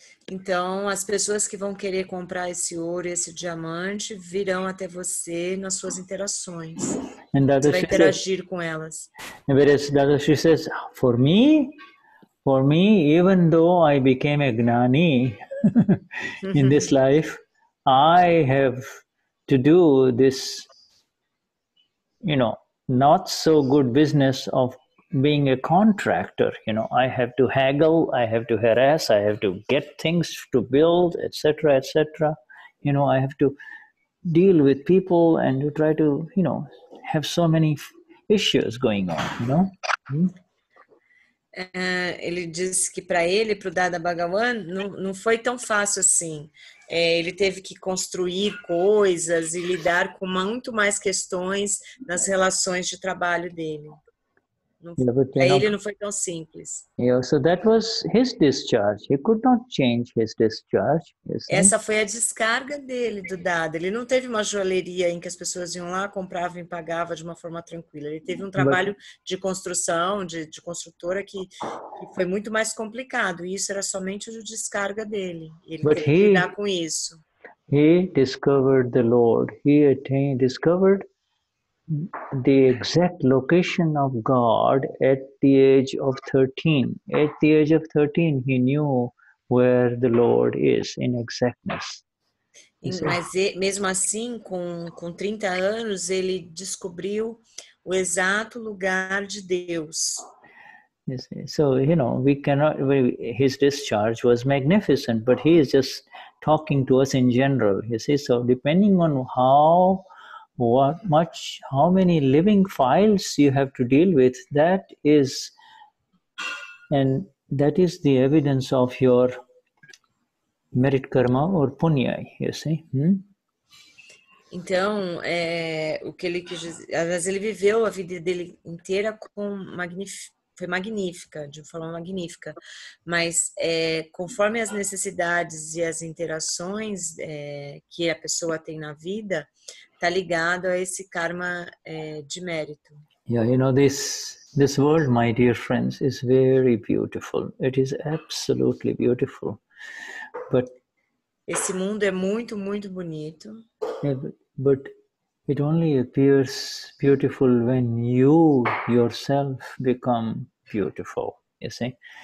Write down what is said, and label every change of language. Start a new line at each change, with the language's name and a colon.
Portuguese: Então, as pessoas que vão querer comprar esse ouro, esse diamante, virão até você nas suas interações. Você vai interagir com elas.
English: Dadashri says, for me, even though I became a Gnani in this life, I have to do this, you know, not so good business of being a contractor, you know, I have to haggle, I have to harass, I have to get things to build, etc., etc. You know, I have to deal with people and to try to, you know, have so many issues going on, you know.
Portuguese: Ele disse que para ele, para o Dada Bhagavan, não foi tão fácil assim. Ele teve que construir coisas e lidar com muito mais questões nas relações de trabalho dele.
English: Yeah, so that was his discharge. He could not change his discharge.
Portuguese: Essa foi a descarga dele, do Dada. Ele não teve uma joalheria em que as pessoas iam lá, compravam e pagavam de uma forma tranquila. Ele teve trabalho de construção, de construtora, que foi muito mais complicado. E isso era somente a descarga dele. Ele teve que lidar com isso.
English: He discovered the Lord. He attained, discovered the exact location of God at the age of 13. At the age of 13, he knew where the Lord is in exactness.
Portuguese: Mas mesmo assim, com 30 anos, ele descobriu o exato lugar de Deus.
English: So, you know, we cannot, his discharge was magnificent, but he is just talking to us in general, you see. So, depending on how many living files you have to deal with, that is the evidence of your merit karma or punya, you see.
Portuguese: Então, o que ele quis dizer, às vezes ele viveu a vida dele inteira com foi magnífica, de forma magnífica. Mas é, conforme as necessidades e as interações é, que a pessoa tem na vida, está ligado a esse karma é, de mérito.
English: Yeah, you know, this world, my dear friends, is very beautiful. It is absolutely beautiful. But
Portuguese: esse mundo é muito, muito bonito.
English: Yeah, but it only appears beautiful when you yourself become beautiful, you see?